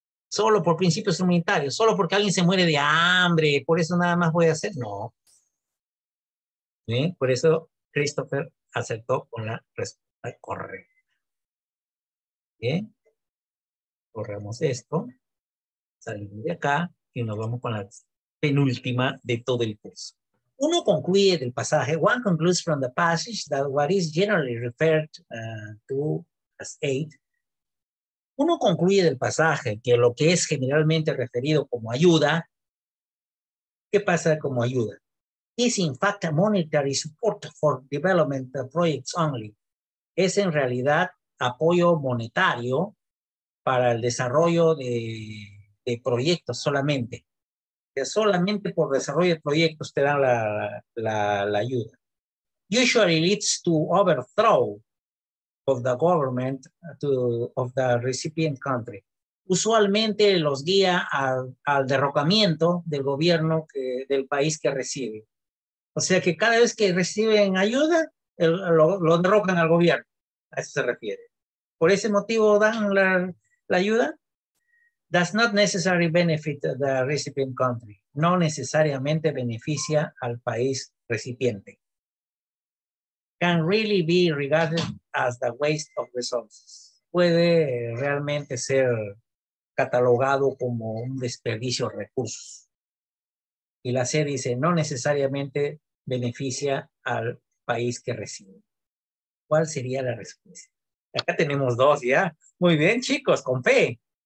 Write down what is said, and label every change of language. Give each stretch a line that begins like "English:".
Spanish: Solo por principios humanitarios, solo porque alguien se muere de hambre, por eso nada más voy a hacer, no. ¿Sí? Por eso Christopher aceptó con la respuesta correcta. Bien. Corremos esto, salimos de acá y nos vamos con la penúltima de todo el curso. Uno concluye del pasaje,
English: one concludes from the passage that what is generally referred to as aid.
Spanish: Uno concluye del pasaje que lo que es generalmente referido como ayuda, ¿qué pasa como ayuda?
English: Is in fact a monetary support for development projects only.
Spanish: Es en realidad apoyo monetario para el desarrollo de proyectos solamente. Que solamente por desarrollo de proyectos te dan la ayuda.
English: Usually leads to overthrow of the government of the recipient country.
Spanish: Usualmente los guía al derrocamiento del gobierno del país que recibe. O sea que cada vez que reciben ayuda, lo derrocan al gobierno. A eso se refiere. Por ese motivo dan la ayuda
English: does not necessarily benefit the recipient country.
Spanish: No necesariamente beneficia al país recipiente.
English: Can really be regarded as the waste of resources.
Spanish: Puede realmente ser catalogado como un desperdicio de recursos. Y la C dice, no necesariamente beneficia al país que recibe. ¿Cuál sería la respuesta? Acá tenemos dos ya. Muy bien, chicos, con fe.